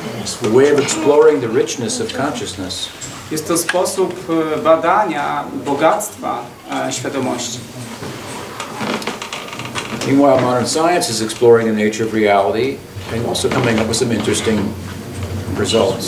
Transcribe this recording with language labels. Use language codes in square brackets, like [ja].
[en] It's a way of exploring the richness of consciousness. [pl] Jest to sposób badania bogactwa świadomości. [en] Meanwhile, modern science is exploring the nature of reality and also coming up with some interesting results.